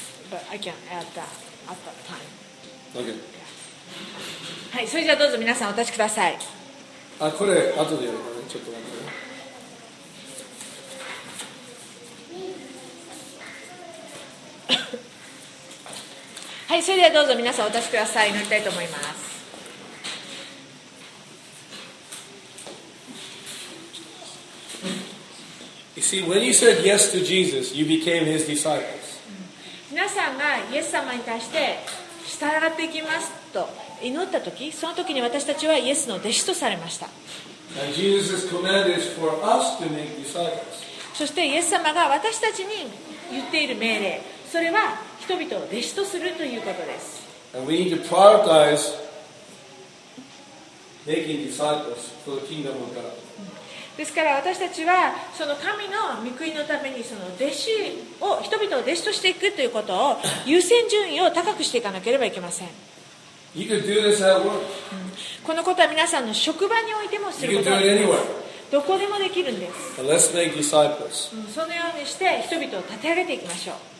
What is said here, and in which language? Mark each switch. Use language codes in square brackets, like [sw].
[en] But I can add that at that time. Okay. [ja] はい、それじゃあどうぞ皆さんお立ちください。あ、これ後でやるかね、ちょっと待ってね。はい、それではどうぞ皆さんお立ちください。祈りたいと思います。 [en] You see, when you said yes to Jesus, you became his disciples. [ja] 皆さんがイエス様に対して従っていきますと祈ったとき、そのときに私たちはイエスの弟子とされました。 [en] And Jesus' command is for us to make disciples. [ja] そしてイエス様が私たちに言っている命令、それは人々を弟子とするということです。 [en] And we need to prioritize making disciples for the kingdom of God. [ja] ですから私たちはその神の御国のためにその弟子を人々を弟子としていくということを優先順位を高くしていかなければいけません。このことは皆さんの職場においてもすることです。どこでもできるんです。そのようにして人々を立て上げていきましょう。